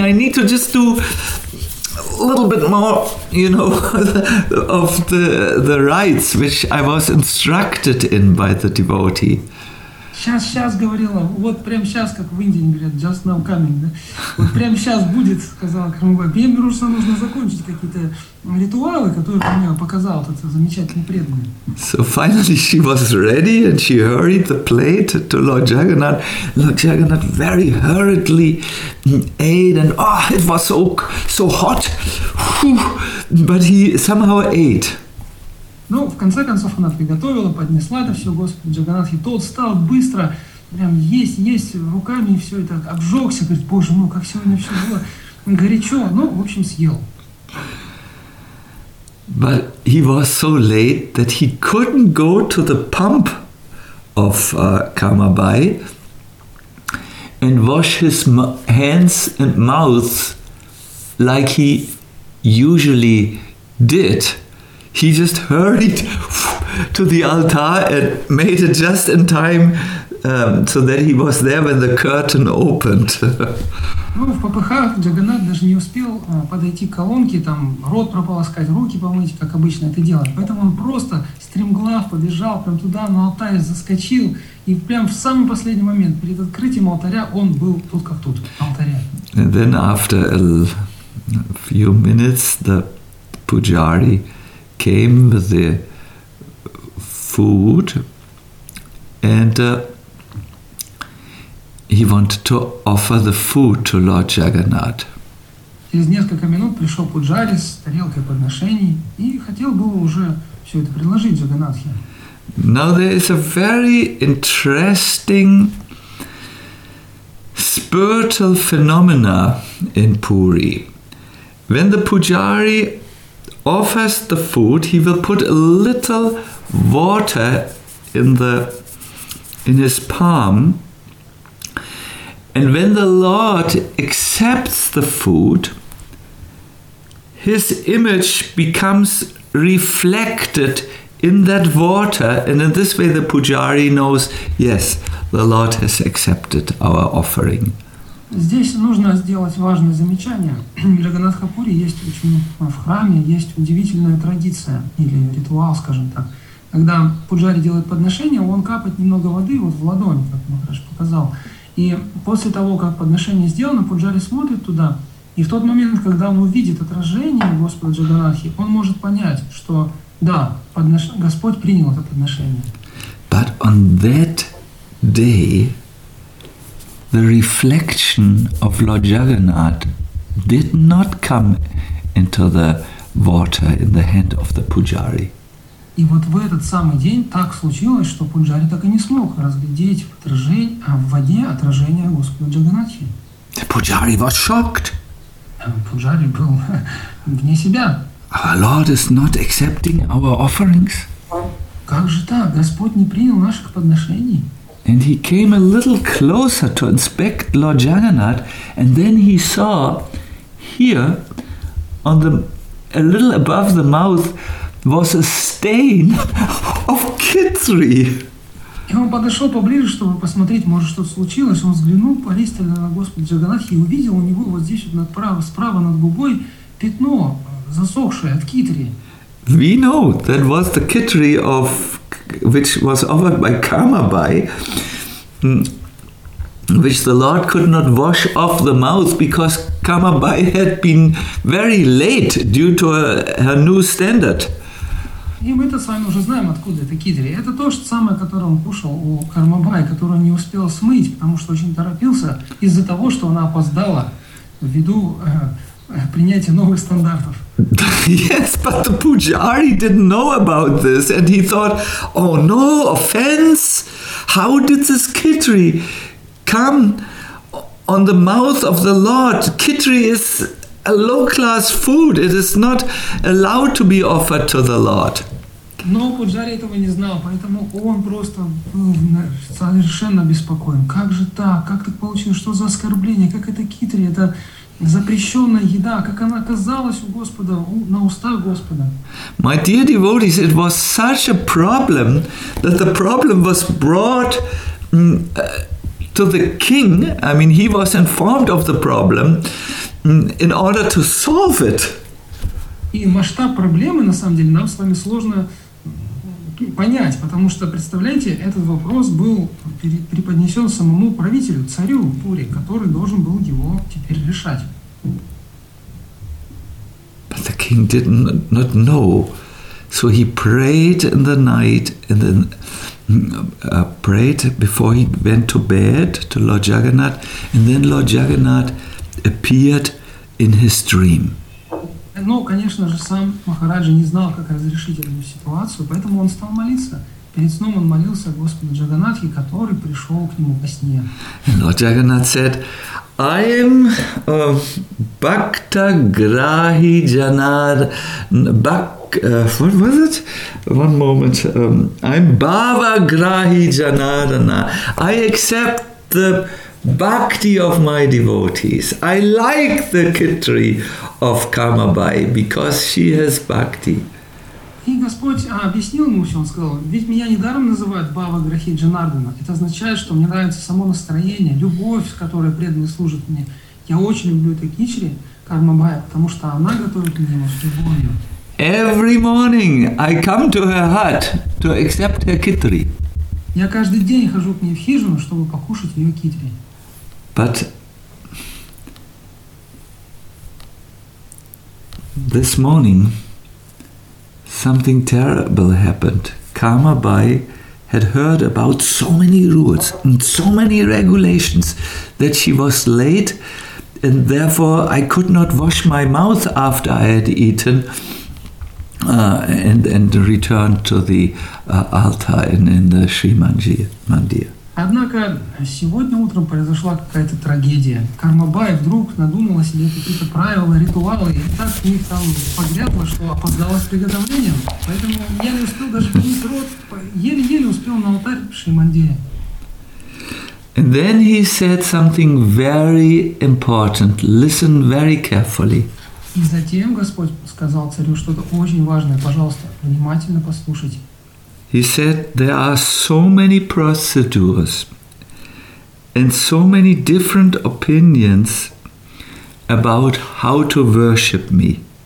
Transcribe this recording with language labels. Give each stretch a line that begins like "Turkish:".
English: I need to just do a little bit more, you know, of the rites which I was instructed in by the devotee.
Russian: Сейчас говорила, вот прям сейчас, как в Индии говорят,
English: just now coming,
Russian: да? Вот прям сейчас будет, сказала Кармабай. Мне беру, что нужно закончить какие-то ритуалы, которые мне показал этот замечательный преданный.
English: So finally she was ready and she hurried the plate to Lord Jagannath. Lord Jagannath very hurriedly ate and it was so hot, but he somehow ate.
Russian: Ну, в конце концов, она приготовила, поднесла это все Господу Джаганнатхе. Тот стал быстро прям есть руками, и все это обжегся. Говорит, боже мой, как сегодня все было горячо. Ну, в общем, съел.
English: But he was so late that he couldn't go to the pump of Kamabai and wash his hands and mouth like he usually did. He just hurried to the altar and made it just in time so that he was there when the curtain opened.
Russian: Ну, в попыхах Джаганнат даже не успел подойти к колонке, там рот прополоскать, руки помыть, как обычно это делать. Поэтому он просто стремглав побежал прям туда, на алтарь заскочил, и прям в самый последний момент перед открытием алтаря он был тут как тут, на алтаре.
English: And then after a few minutes the pujari came with the food and he wanted to offer the food to Lord Jagannath.
Russian: Через несколько минут пришел пуджари с тарелкой подношений и хотел бы уже все это предложить Джаганнатхе.
English: Now there is a very interesting spiritual phenomena in Puri. When the pujari offers the food, he will put a little water in the in his palm. And when the Lord accepts the food, his image becomes reflected in that water. And in this way, the pujari knows, yes, the Lord has accepted our offering.
Russian: Здесь нужно сделать важное замечание. В Раганатхапуре есть очень в храме есть удивительная традиция или ритуал, скажем так. Когда пуджари делает подношение, он капает немного воды вот в ладонь, как Махараш показал. И после того, как подношение сделано, пуджари смотрит туда. И в тот момент, когда он увидит отражение Господа Джаганатхи, он может понять, что да, Господь принял это подношение.
English: But on that day, the reflection of Lord Jagannath did not come into the water in the hand of the pujari.
Russian: И вот в этот самый день так случилось, что пуджари так и не смог разглядеть отражение, а в воде отражение Господа Джаганатхи.
English: The pujari was shocked.
Russian: Пуджари был вне себя.
English: Our Lord is not accepting our offerings.
Russian: Как же так? Господь не принял наших подношений.
English: And he came a little closer to inspect Lord Jagannath, and then he saw here on the a little above the mouth was a stain of khichdi.
Russian: И он подошел поближе, чтобы посмотреть, может, что-то случилось. Он взглянул пристально на Господа Джаганатхи и увидел у него вот здесь над право, справа над губой пятно засохшее от khichdi.
English: We know that was the khichdi of which was offered by Karmabai, which the Lord could not wash off the mouth because Karmabai had been very late due to her new standard.
Russian: И мы-то с вами уже знаем, откуда это кидри. Это то же самое, которое он кушал у Кармабай, которое он не успел смыть, потому что очень торопился из-за того, что она опоздала ввиду принятия новых стандартов.
English: Yes, but the pujari didn't know about this, and he thought, oh no, offense, how did this khichdi come on the mouth of the Lord? Khichdi is a low-class food, it is not allowed to be offered to the Lord.
Russian: Но пуджари этого не знал, поэтому он просто был совершенно беспокоен. Как же так? Как так получилось? Что за оскорбление? Как это khichdi? Это запрещенная еда, как она оказалась у Господа, на устах Господа.
English: My dear devotees, it was such a problem that the problem was brought to the king. I mean, he was informed of the problem in order to solve it.
Russian: И масштаб проблемы, на самом деле, нам с вами сложно понять, потому что, представляете, этот вопрос был преподнесен самому правителю, царю Пури, который должен был его теперь решать.
English: But the king did not know, so he prayed in the night and then prayed before he went to bed to Lord Jagannath, and then Lord Jagannath appeared in his dream.
Russian: Но, конечно же, сам Махараджа не знал, как разрешить эту ситуацию, поэтому он стал молиться. Перед сном он молился Господу Джаганатхи, который пришел к нему во сне.
English: Lord Jagannath said, I am Bhakta Grahi Janar what was it? One moment. I'm Bhava Grahi Janardana. I accept the bhakti of my devotees. I like the khichdi of Karmabai because she has bhakti.
Russian: И Господь объяснил ему все, он сказал, ведь меня недаром называют Бхава Грахи Джанардана. Это означает, что мне нравится само настроение, любовь, с которой преданный служит мне. Я очень люблю эту khichdi Karmabai, потому что она готовит мне его с любовью.
English: Every morning I come to her hut to accept her khichdi.
Russian: Я каждый день хожу к ней в хижину, чтобы покушать ее khichdi.
English: But this morning something terrible happened. Karmabai had heard about so many rules and so many regulations that she was late, and therefore I could not wash my mouth after I had eaten and returned to the altar in the Sri Mandir.
Russian: Однако сегодня утром произошла какая-то трагедия. Кармабай вдруг надумала себе какие-то правила, ритуалы, и так в них там погрязла, что опоздала с приготовлением. Поэтому я не успел даже помыть рот, еле-еле успел на алтарь Шримандея.
English: And then he said something very important. Listen very carefully.
Russian: И затем Господь сказал царю что-то очень важное. Пожалуйста, внимательно послушайте.
English: He said, there are so many procedures and so many different opinions about how to worship me.